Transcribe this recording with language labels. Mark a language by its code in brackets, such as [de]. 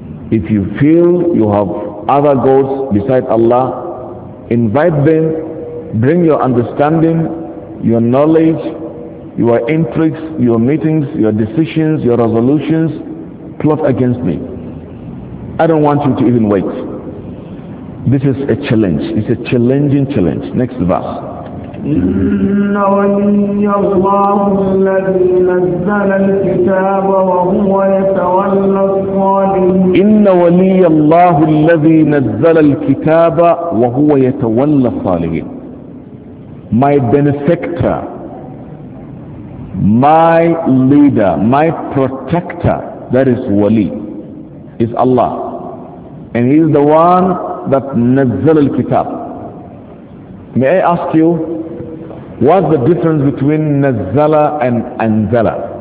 [en] If you feel you have other gods beside Allah, invite them, bring your understanding, your knowledge, your intrigues, your meetings, your decisions, your resolutions, plot against me. I don't want you to even wait. This is a challenge. It's a challenging challenge. Next verse. [ar] إن ولي الله الذي نزل الكتاب وهو يتولى الصالحين. إن ولي الله الذي نزل الكتاب وهو يتولى الصالحين. [en] My benefactor, my leader, my protector, that is Wali, is Allah. And He is the one that [ar] نزل الكتاب. [en] May I ask you, what's the difference between nazala and anzala?